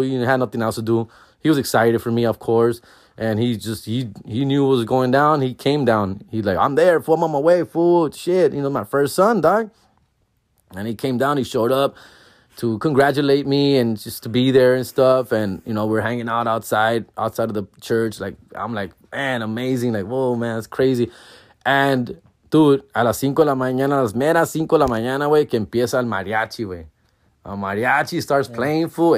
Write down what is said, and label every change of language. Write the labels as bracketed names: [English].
[English] He had nothing else to do. He was excited for me, of course. And he knew what was going down. He came down. He's like, I'm there. Fool, I'm on my way. Fool, shit. You know, my first son, dog. And he came down, he showed up to congratulate me and just to be there and stuff. And, you know, we're hanging out outside of the church. I'm like, man, amazing. Whoa, man, it's crazy. And, dude, [Spanish] a las 5 de la mañana, las meras 5 de la mañana, güey, que empieza el mariachi, güey. [English] A mariachi starts playing, fool.